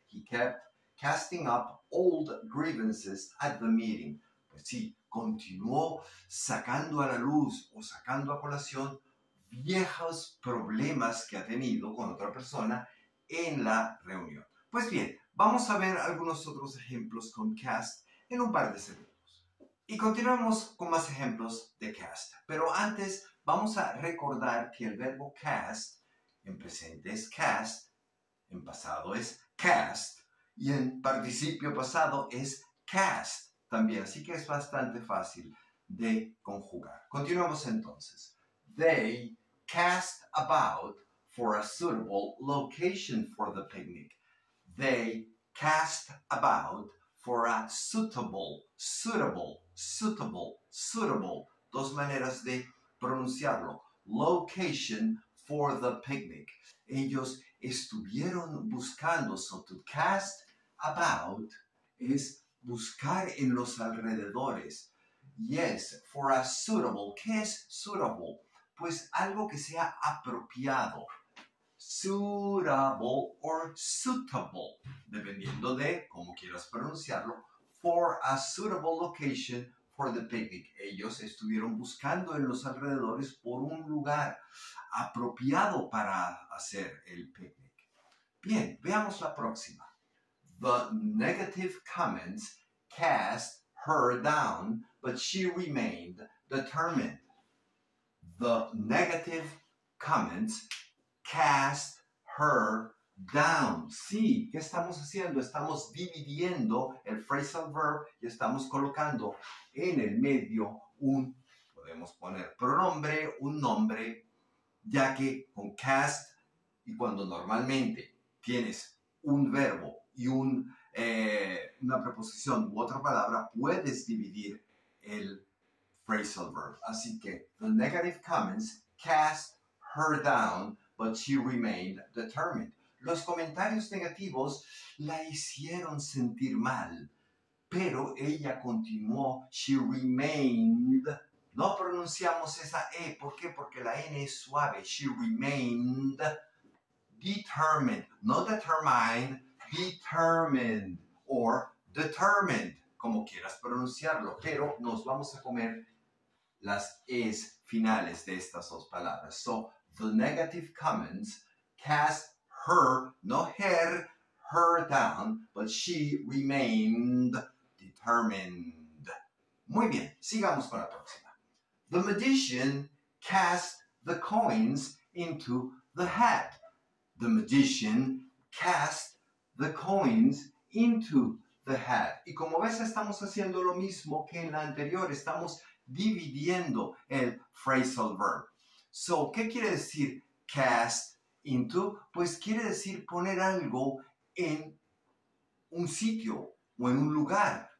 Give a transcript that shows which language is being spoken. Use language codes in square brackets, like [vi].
[en] He kept casting up old grievances at the meeting. [es] Pues sí, continuó sacando a la luz o sacando a colación viejos problemas que ha tenido con otra persona en la reunión. Pues bien, vamos a ver algunos otros ejemplos con cast en un par de segundos. Y continuamos con más ejemplos de cast. Pero antes vamos a recordar que el verbo cast en presente es cast, en pasado es cast y en participio pasado es cast también. Así que es bastante fácil de conjugar. Continuamos entonces. [en] They cast about for a suitable location for the picnic. They cast about for a suitable, [es] dos maneras de pronunciarlo, [en] location for the picnic. [es] Ellos estuvieron buscando, [en] so to cast about [es] es buscar en los alrededores. [en] Yes, for a suitable, [es] ¿qué es suitable? Pues algo que sea apropiado. Suitable or suitable, dependiendo de cómo quieras pronunciarlo, [en] for a suitable location for the picnic. [es] Ellos estuvieron buscando en los alrededores por un lugar apropiado para hacer el picnic. Bien, veamos la próxima. [en] The negative comments cast her down, but she remained determined. The negative comments cast her down. [es] Sí, ¿qué estamos haciendo? Estamos dividiendo el phrasal verb y estamos colocando en el medio un, podemos poner pronombre, un nombre, ya que con cast y cuando normalmente tienes un verbo y un, una preposición u otra palabra, puedes dividir el phrasal verb. Así que, [en] the negative comments cast her down, but she remained determined. [es] Los comentarios negativos la hicieron sentir mal, pero ella continuó, [en] she remained. [es] No pronunciamos esa E, ¿por qué? Porque la N es suave. [en] She remained determined, [es] no determined, determined, or determined, como quieras pronunciarlo, pero nos vamos a comer las E's finales de estas dos palabras. [en] So, the negative comments cast her, no her, her down, but she remained determined. [es] Muy bien, sigamos con la próxima. [en] The magician cast the coins into the hat. The magician cast the coins into the hat. [es] Y como ves, estamos haciendo lo mismo que en la anterior. Estamos dividiendo el phrasal verb. So, ¿qué quiere decir cast into? Pues quiere decir poner algo en un sitio o en un lugar.